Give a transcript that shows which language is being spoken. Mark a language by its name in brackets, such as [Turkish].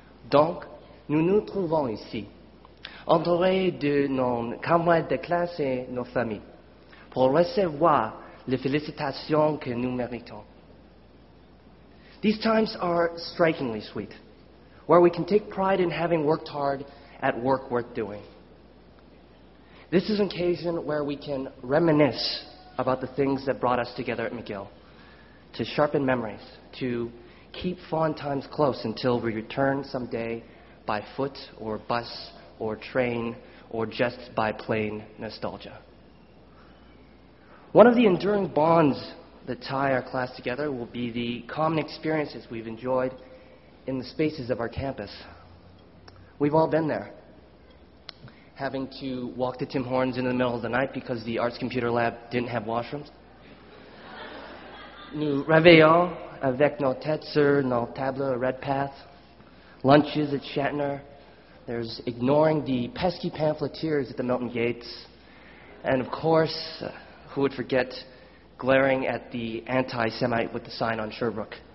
[French] Donc, nous nous trouvons ici, entourés de nos camarades de classe et nos familles, pour recevoir les félicitations que nous méritons. [English] These times are strikingly sweet, where we can take pride in having worked hard at work worth doing. This is an occasion where we can reminisce about the things that brought us together at McGill, to sharpen memories, to keep fond times close until we return someday by foot or bus or train or just by plain nostalgia. One of the enduring bonds that tie our class together will be the common experiences we've enjoyed in the spaces of our campus. We've all been there, having to walk to Tim Hortons in the middle of the night because the arts computer lab didn't have washrooms. [French] Nous réveillons avec nos têtes sur nos tables à Redpath. [English] Lunches at Shatner. There's ignoring the pesky pamphleteers at the Milton Gates. And of course, who would forget glaring at the anti-Semite with the sign on Sherbrooke.